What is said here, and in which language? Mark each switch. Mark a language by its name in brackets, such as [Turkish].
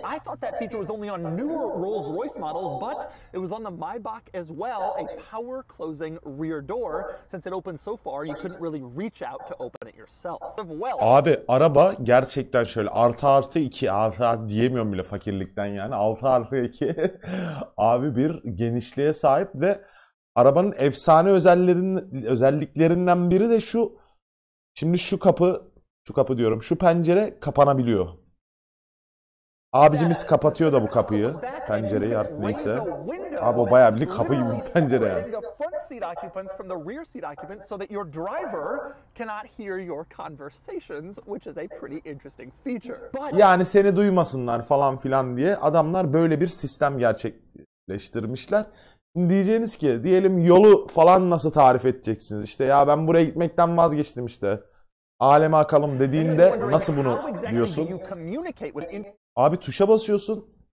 [English] I thought that feature was only on newer Rolls-Royce models, but it was on the Maybach as well, a power closing rear door. Since it opened so far, you couldn't really reach out to open it yourself. [Turkish] Abi araba gerçekten şöyle artı artı iki artı artı diyemiyorum bile fakirlikten yani. Altı artı iki abi bir genişliğe sahip ve arabanın efsane özelliklerinden biri de şu. Şimdi şu kapı diyorum. Şu pencere kapanabiliyor. Abicimiz kapatıyor da bu kapıyı, pencereyi artık neyse. Abi o bayağı bir kapı gibi bir pencere yani. [English] Seat occupants from the rear seat occupants so that your driver cannot hear your conversations, which is a pretty interesting feature. [Turkish] Yani seni duymasınlar falan filan diye adamlar böyle bir sistem gerçekleştirmişler. Diyeceğiniz ki diyelim yolu falan nasıl tarif edeceksiniz? İşte ya ben buraya gitmekten vazgeçtim işte. Aleme akalım dediğinde nasıl bunu diyorsun? Abi tuşa basıyorsun.